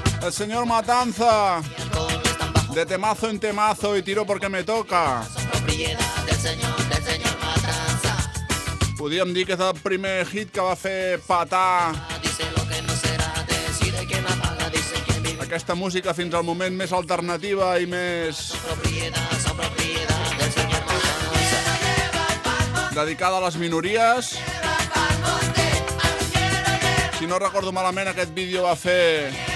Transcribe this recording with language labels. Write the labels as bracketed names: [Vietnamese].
[Spanish] Señor Matanza, de temazo en temazo y tiro porque me toca. [Catalan] Podríem dir que és el primer hit que va fer patar. [Spanish] Dice lo que no será, decide quién apaga, dice quién. [Catalan] aquesta música fins al moment més alternativa i més... dedicada a les minories. Si no recordo malament, aquest vídeo va fer...